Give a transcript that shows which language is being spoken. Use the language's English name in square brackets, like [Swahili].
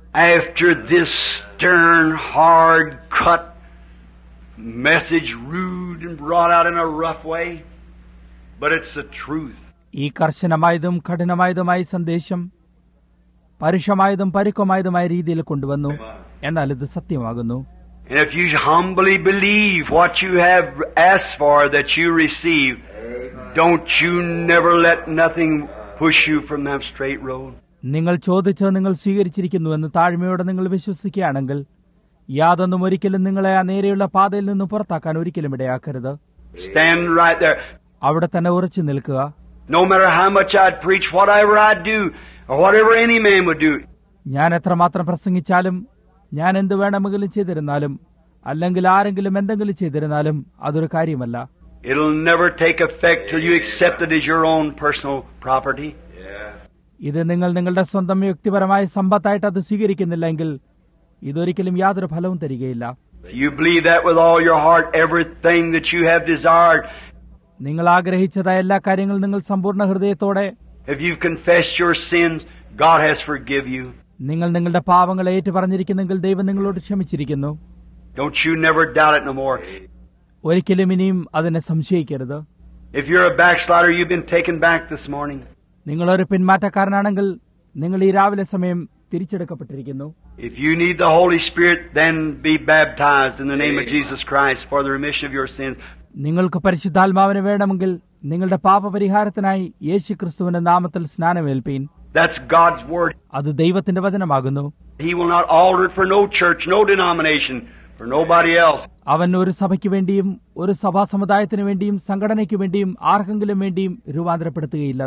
[English] After this stern, hard cut message, rude and brought out in a rough way, but it's the truth. [Malayalam] ഈ കർശനമായതും കഠിനമായതുമായ സന്ദേശം പരുഷമായതും പരുക്കമായതുമായ രീതിയിൽ കൊണ്ടുവന്നു, എന്നാൽ ഇത് സത്യമാകുന്നു. [English] And if you humbly believe what you have asked for that you receive, don't you never let nothing push you from that straight road. [Malayalam] നിങ്ങൾ ചോദിച്ച് നിങ്ങൾ സ്വീകരിച്ചിരിക്കുന്നു എന്ന് താഴ്മയോടെ നിങ്ങൾ വിശ്വസിക്കുകയാണെങ്കിൽ യാതൊന്നും ഒരിക്കലും നിങ്ങളെ ആ നേരെയുള്ള പാതയിൽ നിന്ന് പുറത്താക്കാൻ ഒരിക്കലും ഇടയാക്കരുത്. [English] Stand right there. [Malayalam] അവിടെ തന്നെ ഉറച്ചു നിൽക്കുക. [English] No matter how much I preach, whatever I do, or whatever any man would do. [Malayalam] ഞാൻ എത്രമാത്രം പ്രസംഗിച്ചാലും ഞാൻ എന്ത് വേണമെങ്കിലും ചെയ്തിരുന്നാലും അല്ലെങ്കിൽ ആരെങ്കിലും എന്തെങ്കിലും ചെയ്തിരുന്നാലും അതൊരു കാര്യമല്ല. [English] It'll never take effect till you accept it as your own personal property. [Malayalam] ഇത് നിങ്ങൾ നിങ്ങളുടെ സ്വന്തം വ്യക്തിപരമായ സമ്പത്തായിട്ട് അത് സ്വീകരിക്കുന്നില്ലെങ്കിൽ ഇതൊരിക്കലും യാതൊരു ഫലവും തരികയില്ല. [English] You believe that with all your heart, everything that you have desired. [Malayalam] നിങ്ങൾ ആഗ്രഹിച്ചത എല്ലാ കാര്യങ്ങളും നിങ്ങൾ സമ്പൂർണ്ണ ഹൃദയത്തോടെ. [English] If you've confessed your sins, God has forgiven you. [Malayalam] നിങ്ങൾ നിങ്ങളുടെ പാപങ്ങൾ ഏറ്റുപറഞ്ഞിരിക്കുന്നെങ്കിൽ ദൈവം നിങ്ങളോട് ക്ഷമിച്ചിരിക്കുന്നു. [English] Don't you never doubt it no more. [Malayalam] ഒരിക്കലും ഇനിയും അതിനെ സംശയിക്കരുത്. [English] If you're a backslider, you've been taken back this morning. [Malayalam] നിങ്ങളൊരു പിന്മാറ്റക്കാരനാണെങ്കിൽ നിങ്ങൾ ഈ രാവിലെ സമയം തിരിച്ചെടുക്കപ്പെട്ടിരിക്കുന്നു. [English] If you need the Holy Spirit, then be baptized in the name of Jesus Christ for the remission of your sins. [Malayalam] നിങ്ങൾക്ക് പരിശുദ്ധാത്മാവിനെ വേണമെങ്കിൽ നിങ്ങളുടെ പാപപരിഹാരത്തിനായി യേശു ക്രിസ്തുവിന്റെ നാമത്തിൽ സ്നാനമേൽപ്പീൻ. [English] That's God's word. [Malayalam] അത് ദൈവത്തിന്റെ വചനമാകുന്നു. [English] He will not alter it for no church, no denomination, for nobody else. [Malayalam] അവൻ ഒരു സഭയ്ക്ക് വേണ്ടിയും ഒരു സഭാസമുദായത്തിന് വേണ്ടിയും സംഘടനയ്ക്ക് വേണ്ടിയും ആർക്കെങ്കിലും വേണ്ടിയും രൂപാന്തരപ്പെടുത്തുകയില്ല.